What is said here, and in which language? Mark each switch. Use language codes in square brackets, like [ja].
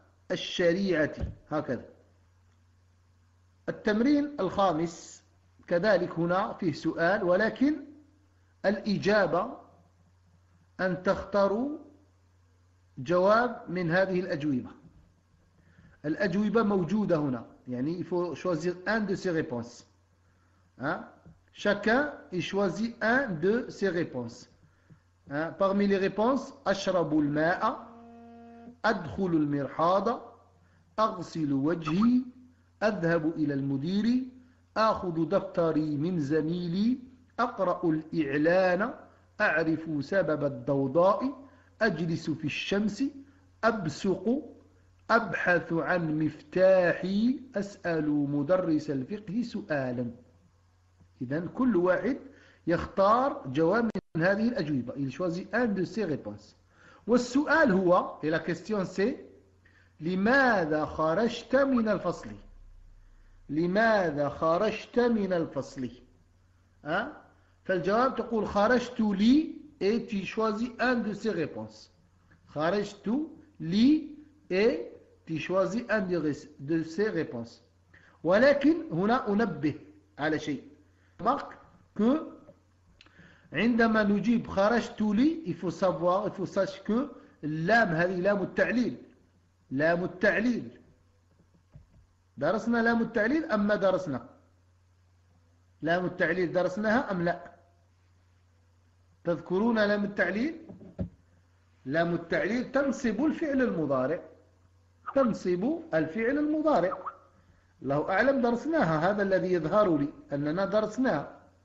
[ar] الشريعة هكذا. التمرين الخامس كذلك هنا فيه سؤال، ولكن الإجابة أن تختاروا جواب من هذه الأجوبة. الأجوبة موجودة هنا، يعني [fr] il faut choisir un de ces réponses. Chacun il choisit un de ses réponses. Parmi les réponses, [ar] أشرب الماء، أدخل المرحاض، أغسل وجهي، أذهب إلى المدير، آخذ دفتري من زميلي، أقرأ الإعلان، أعرف سبب الضوضاء، أجلس في الشمس، أبصق، أبحث عن مفتاحي، أسأل مدرس الفقه سؤالا. إذن كل واحد يختار جواب من هذه الأجوبة. [fr] Il choisit un de ces réponses. [ar] والسؤال هو، [fr] et la question c'est، [ar] لماذا خرجت من الفصل؟ لماذا خرجت من الفصل؟ ها؟ فالجواب تقول خرجت لي، [fr] et tu choisis un de ces réponses. [ar] خرجت لي، [fr] et tu choisis un de ces réponses. [ar] ولكن هنا أنبه على شيء. [fr] Remarque que [ar] عندما نجيب خرجت لي، [fr] il faut savoir, il faut sache que [ar] اللام هذه لام التعليل. لام التعليل. درسنا لام التعليل أم ما درسنا؟ لام التعليل درسناها أم لا؟ تذكرون لام التعليل؟ لام التعليل تنصب الفعل المضارع. تنصب الفعل المضارع. الله أعلم درسناها، هذا الذي يظهر لي أننا درسناها.